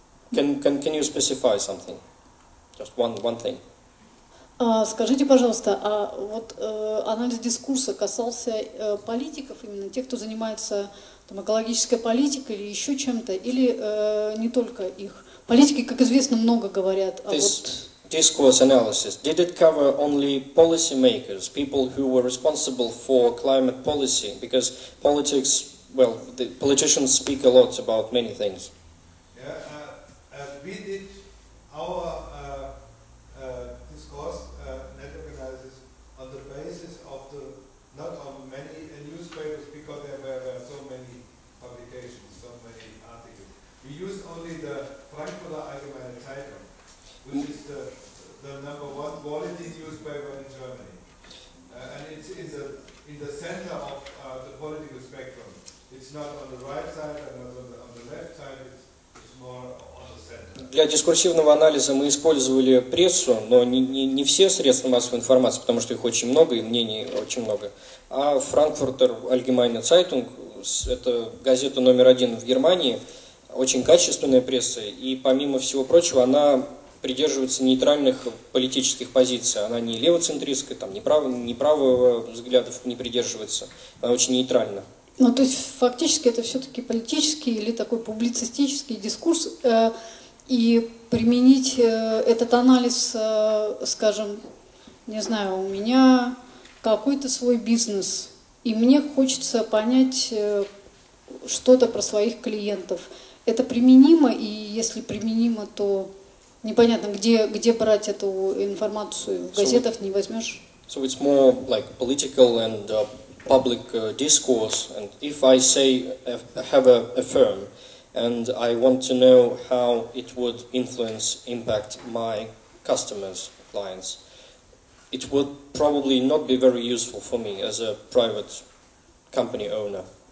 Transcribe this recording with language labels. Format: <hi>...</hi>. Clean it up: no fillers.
<en>Can you specify something? Just one thing.</en> <ru>Скажите, пожалуйста, а вот анализ дискурса касался политиков, именно тех, кто занимается там, экологической политикой или еще чем-то, или не только их? Политики, как известно, много говорят.</ru> <en>Discourse analysis. Did it cover only policy makers, people who were responsible for climate policy? Because politics, well, the politicians speak a lot about many things. Yeah, we did our discourse network analysis on the basis of the not on many newspapers because there were so many publications, so many articles. We used only the Frankfurter Allgemeine Zeitung, which is the number one quality newspaper in Germany. And it's in the center of the political spectrum. It's not on the right side and not on the left side, it's more on the center.</en> <ru>Для дискурсивного анализа мы использовали прессу, но не все средства массовой информации, потому что их очень много и мнений очень много. А Frankfurter Allgemeine Zeitung, это газета номер один в Германии, очень качественная пресса, и помимо всего прочего, она придерживается нейтральных политических позиций. Она не левоцентристская, там, не правого взглядов не придерживается. Она очень нейтральна. Ну, то есть, фактически, это все-таки политический или такой публицистический дискурс. и применить этот анализ, скажем, не знаю, у меня какой-то свой бизнес, и мне хочется понять что-то про своих клиентов. Это применимо, и если применимо, то непонятно, где брать эту информацию. В газетах не возьмешь.</ru> <en>So it's more like political and public discourse. And if I say have a firm, and I want to know how it would influence, impact my customers, clients, it would probably not be very useful for me as a private company owner.</en>